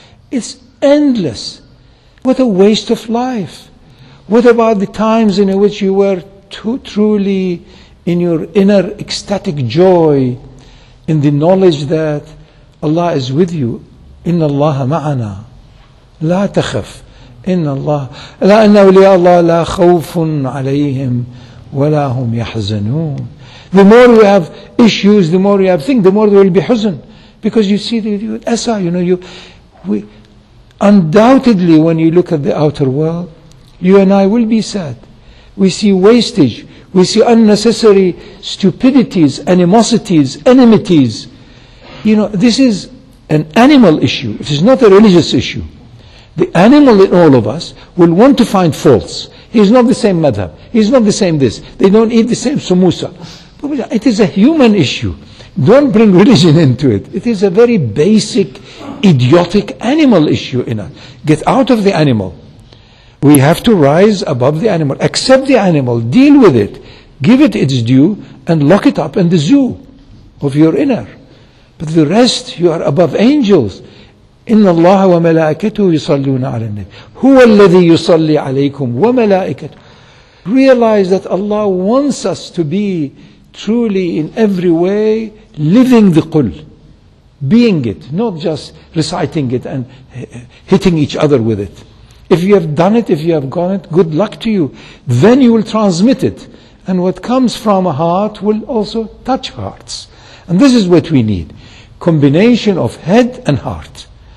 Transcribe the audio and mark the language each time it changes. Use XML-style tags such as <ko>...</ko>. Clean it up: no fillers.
<en>It's endless. What a waste of life. What about the times in which you were too truly in your inner ecstatic joy in the knowledge that Allah is with you?</en> <ar>Inna Allah ma'ana. La takhaf. إن الله لا إن أولياء الله لا خوف عليهم ولا هم يحزنون.</ar> <en>The more you have issues, the more you have things, the more there will be huzn, because you see the asa. You know, undoubtedly when you look at the outer world, you and I will be sad. We see wastage, we see unnecessary stupidities, animosities, enmities. You know, this is an animal issue. It is not a religious issue. The animal in all of us will want to find faults. He's not the same madhab. He's not the same this. They don't eat the same samosa. It is a human issue. Don't bring religion into it. It is a very basic, idiotic animal issue in us. Get out of the animal. We have to rise above the animal. Accept the animal. Deal with it. Give it its due and lock it up in the zoo of your inner. But the rest, you are above angels.</en> <ar>إن الله وملائكته يصلون على النبي هو الذي يصلي عليكم وملائكته.</ar> <en>Realize that Allah wants us to be truly in every way living the qul, being it, not just reciting it and hitting each other with it. If you have done it, if you have gone it, good luck to you. Then you will transmit it, and what comes from a heart will also touch hearts. And this is what we need: combination of head and heart.</en>